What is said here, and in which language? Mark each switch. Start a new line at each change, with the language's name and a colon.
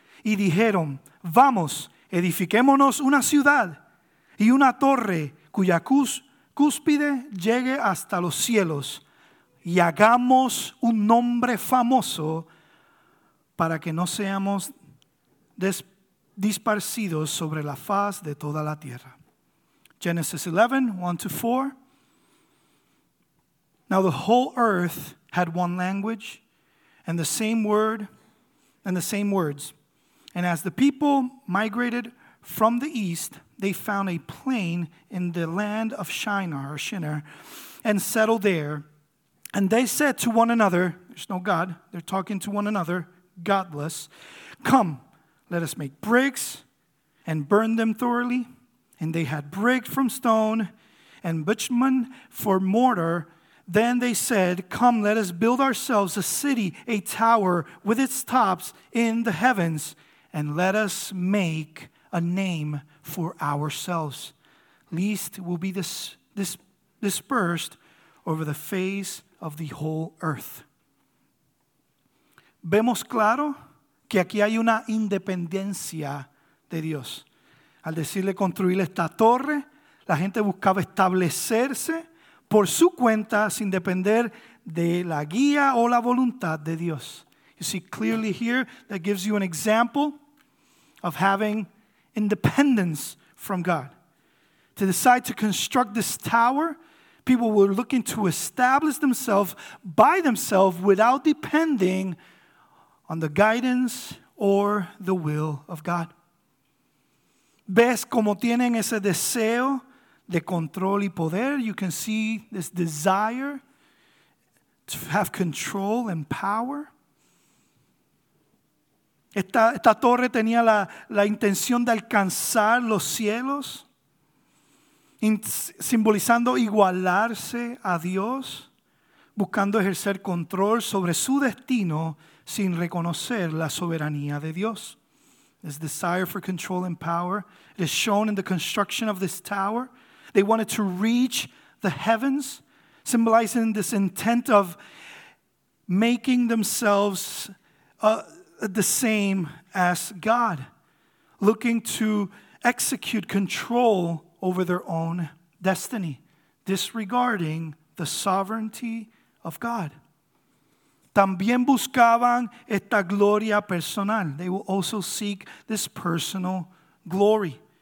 Spanish: Y dijeron, vamos, edifiquémonos una ciudad y una torre cuya cúspide llegue hasta los cielos. Y hagamos un nombre famoso para que no seamos disparcidos sobre la faz de toda la tierra.
English: Genesis 11, 1 to 4. Now the whole earth had one language and the same word and the same words. And as the people migrated from the east, they found a plain in the land of Shinar, or Shinar, and settled there. And they said to one another, there's no God, they're talking to one another, godless, come, let us make bricks and burn them thoroughly. And they had bricks from stone and bitumen for mortar. Then they said, come, let us build ourselves a city, a tower with its tops in the heavens, and let us make a name for ourselves, lest we be dispersed over the face of the whole earth.
Spanish: Vemos claro que aquí hay una independencia de Dios. Al decirle construir esta torre, la gente buscaba establecerse por su cuenta, sin depender de la guía o la voluntad de Dios.
English: You see clearly here, that gives you an example of having independence from God. To decide to construct this tower, people were looking to establish themselves by themselves without depending on the guidance or the will of God.
Spanish: ¿Ves cómo tienen ese deseo de control y poder?
English: You can see this desire to have control and power.
Spanish: Esta torre tenía la intención de alcanzar los cielos, simbolizando igualarse a Dios, buscando ejercer control sobre su destino sin reconocer la soberanía de Dios.
English: This desire for control and power, it is shown in the construction of this tower. They wanted to reach the heavens, symbolizing this intent of making themselves the same as God, looking to execute control over their own destiny, disregarding the sovereignty of God.
Spanish: También buscaban esta gloria personal.
English: They will also seek this personal glory.